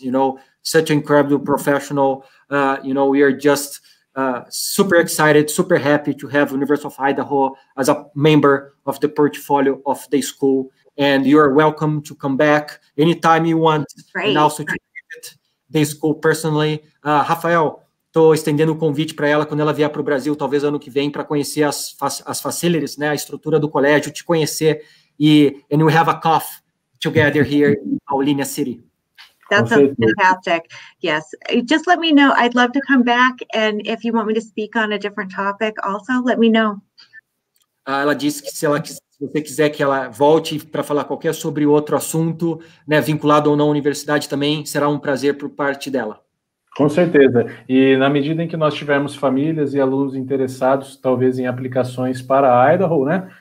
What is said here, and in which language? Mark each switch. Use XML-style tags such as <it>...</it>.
<en>You know, such an incredible professional. You know, we are just super excited, super happy to have University of Idaho as a member of the portfolio of the school. And you are welcome to come back anytime you want. Great. And also to visit the school personally.</en> <pt>Rafael, estou estendendo o convite para ela quando ela vier para o Brasil, talvez ano que vem, para conhecer as facilities, né, a estrutura do colégio, te conhecer.</pt> <en>E and we have a coffee together here in Paulínia City. That's fantastic. Yes. Just let me know. I'd love to come back. And if you want me to speak on a different topic also, let me know.</en> <pt>Ela disse que se você quiser que ela volte para falar qualquer sobre outro assunto, né, vinculado ou não à universidade também, será um prazer por parte dela. Com certeza. E na medida em que nós tivermos famílias e alunos interessados, talvez em aplicações para a Idaho, né?</pt>